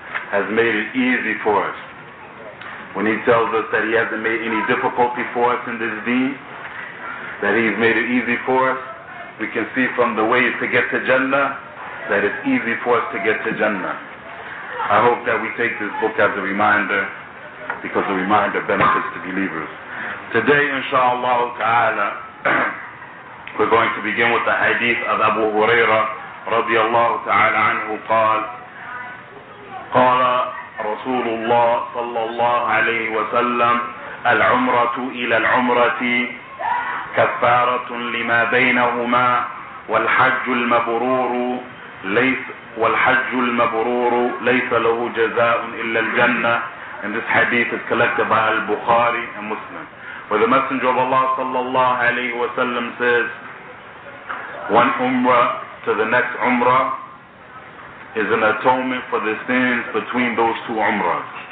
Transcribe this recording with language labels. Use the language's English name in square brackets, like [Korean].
[English] has made it easy for us. When he tells us that he hasn't made any difficulty for us in this deen, that he's made it easy for us, we can see from the ways to get to Jannah that it's easy for us to get to Jannah. I hope that we take this book as a reminder, because a reminder benefits the believers. Today, inshallah ta'ala, we're going to begin with the hadith of Abu Hurairah radiallahu ta'ala anhu, [Arabic] قال رسول الله صلى الله عليه وسلم العمرة إلى العمرة كفارة لما بينهما والحج المبرور ليس والحج المبرور ليس له جزاء إلا الجنة. [English] And this hadith is collected by Al-Bukhari and Muslim. Where the Messenger of Allah صلى الله عليه وسلم says, one umrah to the next umrah is an atonement for the sins between those two umrahs.